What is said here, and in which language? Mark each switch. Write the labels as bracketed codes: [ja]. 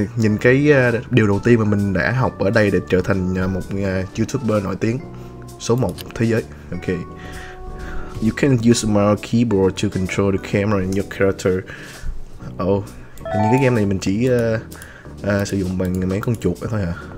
[vi] nhìn cái điều đầu tiên mà mình đã học ở đây để trở thành một YouTuber nổi tiếng số 1 thế giới. Ok. [en] You can use a mouse keyboard to control the camera and your character. [vi] Oh, những cái game này mình chỉ sử dụng bằng mấy con chuột thôi hả?